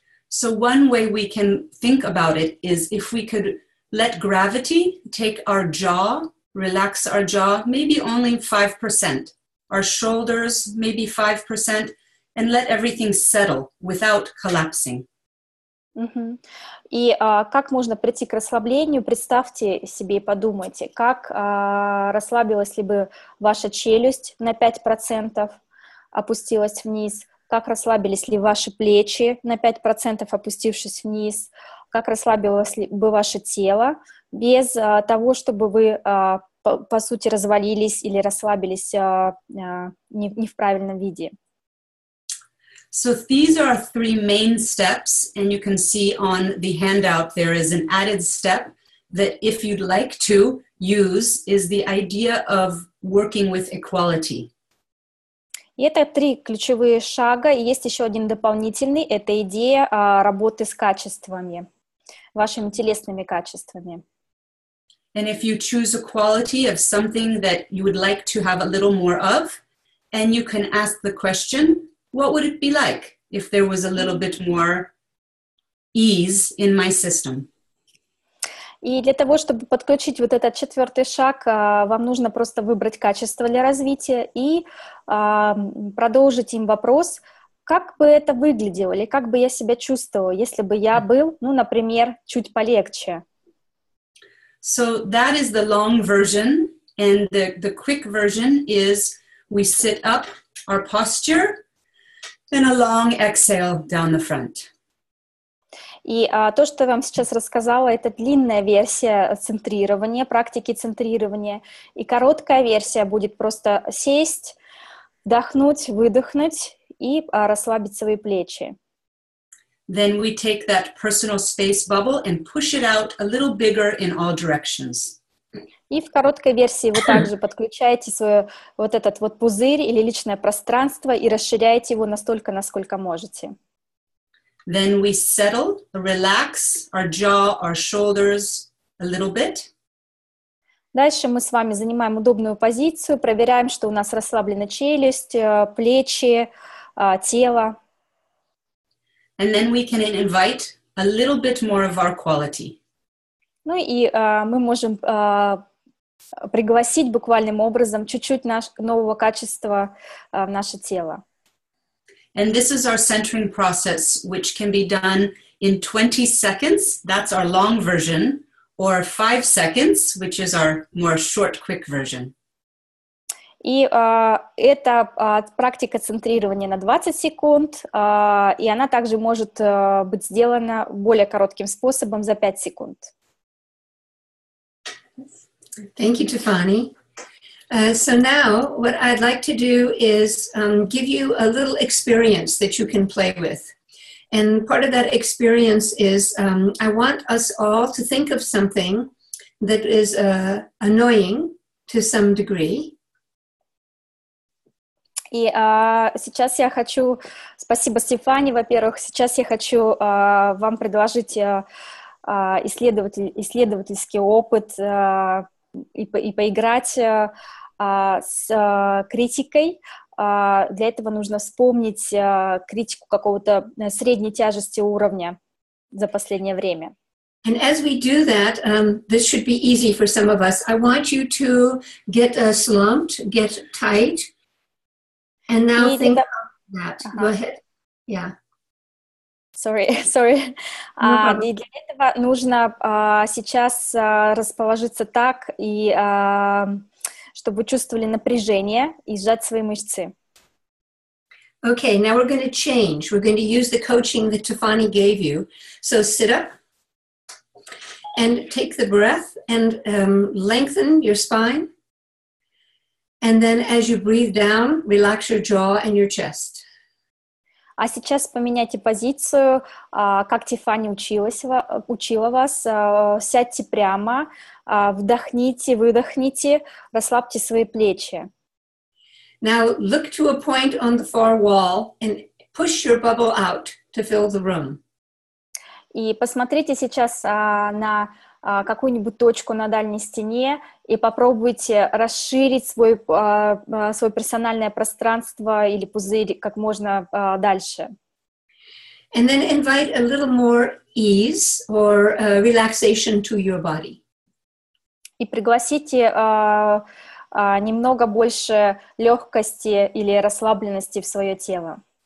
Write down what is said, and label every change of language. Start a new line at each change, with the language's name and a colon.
English: So one way we can think about it is if we could let gravity take our jaw, relax our jaw, maybe only 5%, our shoulders, maybe 5%, and let everything settle without collapsing.
Russian: И как можно прийти к расслаблению? Представьте себе и подумайте, как расслабилась ли бы ваша челюсть на 5%, опустилась вниз, как расслабились ли ваши плечи на 5%, опустившись вниз, как расслабилось ли бы ваше тело без того, чтобы вы по сути, развалились или расслабились не в правильном виде.
English: So these are three main steps, and you can see on the handout there is an added step that if you'd like to use is the idea of working with equality.
Russian: И это три ключевые шага, и есть еще один дополнительный, это идея работы с качествами, вашими телесными качествами.
English: And if you choose a quality of something that you would like to have a little more of, and you can ask the question, what would it be like if there was a little bit more ease in my system?
Russian: И для того, чтобы подключить вот этот четвертый шаг, вам нужно просто выбрать качество для развития и продолжить им вопрос, как бы это выглядело или как бы я себя чувствовала, если бы я был, ну, например, чуть полегче.
English: So that is the long version, and the quick version is we sit up our posture and a long exhale down the front.
Russian: И то, что я вам сейчас рассказала, это длинная версия центрирования, практики центрирования, и короткая версия будет просто сесть, вдохнуть, выдохнуть и расслабить свои плечи.
English: Then we take that personal space bubble and push it out a little bigger in all directions.
Russian: И в короткой версии вы также подключаете свое вот этот вот пузырь или личное пространство и расширяете его настолько, насколько можете.
English: Then we settle, relax our jaw, our shoulders a little bit.
Russian: Дальше мы с вами занимаем удобную позицию, проверяем, что у нас расслаблена челюсть, плечи, тело.
English: And then we can invite a little bit more of our quality.
Russian: Ну и мы можем пригласить буквальным образом чуть-чуть нового качества в наше тело.
English: And this is our centering process, which can be done in 20 seconds. That's our long version. Or 5 seconds, which is our more short, quick version.
Russian: И это практика центрирования на 20 секунд, и она также может быть сделана более коротким способом за 5 секунд.
English: Thank you, Tiffany. So now, what I'd like to do is give you a little experience that you can play with. And part of that experience is I want us all to think of something that is annoying to some degree.
Russian: И сейчас я хочу, спасибо, Стефани, во-первых, сейчас я хочу вам предложить исследовательский опыт и поиграть с критикой. Для этого нужно вспомнить критику какого-то средней тяжести уровня за последнее время.
English: And as we do that, this should be easy for some of us. I want you to get slumped, get tight, and now think about that. Uh-huh. Go ahead. Yeah. Sorry.
Russian: И для этого нужно сейчас расположиться так и чтобы чувствовали напряжение и сжать свои мышцы.
English: Okay, now we're going to change. We're going to use the coaching that Tiffany gave you. So sit up and take the breath and lengthen your spine. And then as you breathe down, relax your jaw and your chest.
Russian: А сейчас поменяйте позицию, как Тиффани учила вас. Сядьте прямо, вдохните, выдохните, расслабьте свои плечи.
English: Now look to a point on the far wall and push your bubble out to fill the room.
Russian: И посмотрите сейчас на какую-нибудь точку на дальней стене и попробуйте расширить свое персональное пространство или пузырь как можно дальше.
English: And then invite a little more ease or relaxation to your body.
Russian: И пригласите немного больше легкости или расслабленности в свое тело.